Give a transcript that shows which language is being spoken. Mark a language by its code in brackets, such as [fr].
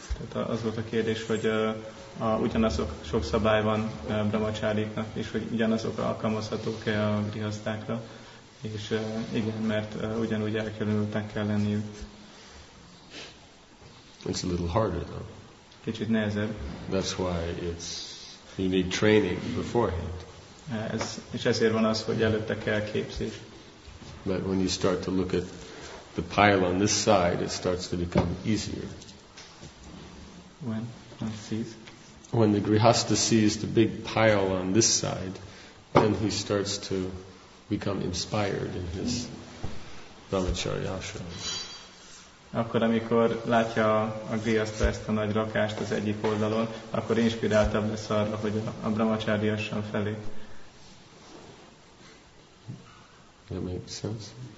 [hu] Tehát az volt a kérdés, hogy ugyanazok sok szabály van brahmacháriknak, és hogy ugyanazok alkalmazhatók-e a grihasztákra, és igen, mert ugyanúgy elkülönültnek kell lenniük. [en] It's a little harder though. [hu] Kicsit nehezebb. [en] That's why you need training beforehand. [hu] És ezért van az, hogy előtte kell képzés. [en] But when you start to look at the pile on this side, it starts to become easier. When one sees? When the grihastha sees the big pile on this side, then he starts to become inspired in his brahmacharya ashram. [hu] akkor amikor látja a grihasztha ezt a nagy rakást az egyik oldalon, akkor inspiráltabb lesz arra, hogy a brahmacháriasan felé. [en] That makes sense.